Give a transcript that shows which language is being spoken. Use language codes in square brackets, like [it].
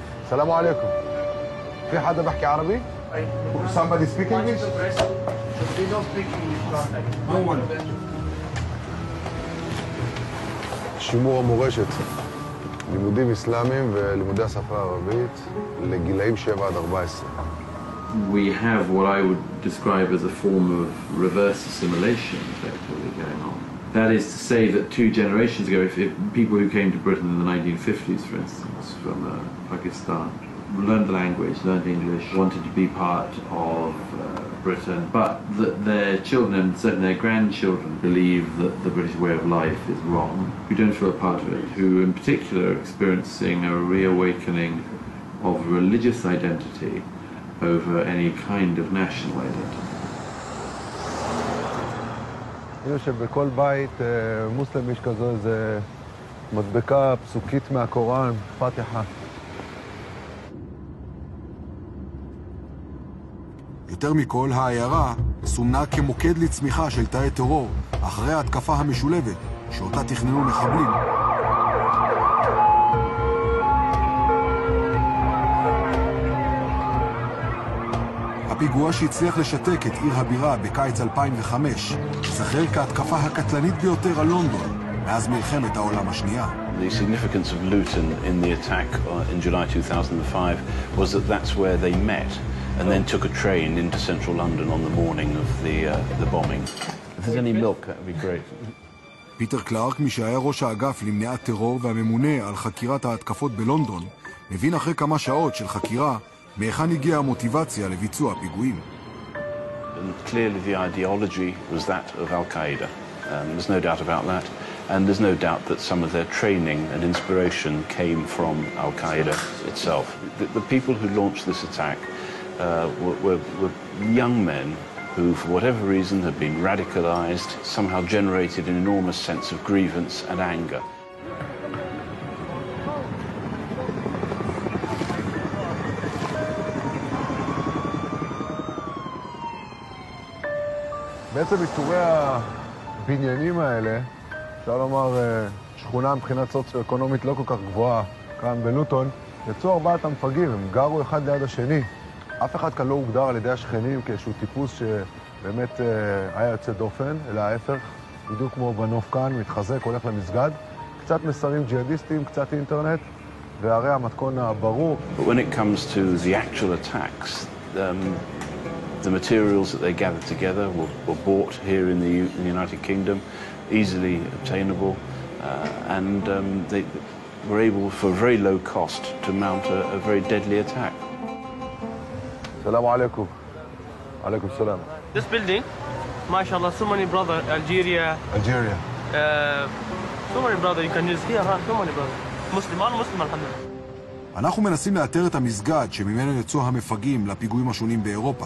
[ar] סלאם עליכם. פי חדה בחקי ערבי? אי. [en] סמבדי ספיק אינגליש? [he] שימור המורשת. לימודים אסלאמיים ולימודי השפה הערבית לגילאים 7 עד 14. [en] we have what I would describe as a form of reverse assimilation effectively going on. That is to say that two generations ago, if people who came to Britain in the 1950s, for instance, from Pakistan, learned the language, learned English, wanted to be part of Britain, but that their children, certainly their grandchildren, believe that the British way of life is wrong, who don't feel a part of it, who in particular are experiencing a reawakening of religious identity over any kind of national identity. [he] יש בכל בית מוסלמי שכזו איזה מדבקה פסוקית מהקוראן, פתיחה. יותר מכל, העיירה סומנה כמוקד לצמיחה של תאי טרור אחרי ההתקפה המשולבת שאותה תכננו מחבלים. הפיגוע שהצליח לשתק את עיר הבירה בקיץ 2005 זכר כהתקפה הקטלנית ביותר על לונדון מאז מלחמת העולם השנייה. [en] The significance of Luton in the attack in July 2005 was that that's where they met and then took a train into central London on the morning of the bombing. If there's any milk, that would be great. [he] פיטר קלארק, מי שהיה ראש האגף למניעת טרור והממונה על חקירת ההתקפות בלונדון, מבין אחרי כמה שעות של חקירה מאיכן הגיעה המוטיבציה לביצוע הפיגועים. [en] And clearly the ideology was that of Al-Qaeda. There's no doubt about that. And there's no doubt that some of their training and inspiration came from Al-Qaeda itself. The people who launched this attack were young men who, for whatever reason, had been radicalized, somehow generated an enormous sense of grievance and anger. [he] בעצם איתורי הבניינים האלה, אפשר לומר שכונה מבחינת סוציו-אקונומית לא כל כך גבוהה כאן בלוטון, יצאו ארבעת המפגעים, הם גרו אחד ליד השני. אף אחד כאן לא הוגדר על ידי השכנים כאיזשהו טיפוס שבאמת היה יוצא דופן, אלא ההפך, בדיוק כמו בנוף כאן, מתחזק, הולך למסגד. קצת מסרים ג'יהאדיסטיים, קצת אינטרנט, והרי המתכון הברור. [en] When it comes to the actual attacks, the materials that they gathered together were bought here in the United Kingdom, easily obtainable, and they were able, for very low cost, to mount a very deadly attack. [ar] Assalamu alaikum. Alaikum salam. [en] This building, mashallah, so many brothers, Algeria. Algeria. So many brothers, you can use here, huh? So many brothers. Muslim, all Muslim, alhamdulillah. [he] אנחנו מנסים לאתר את המסגד שממנו יצאו המפגעים לפיגועים השונים באירופה.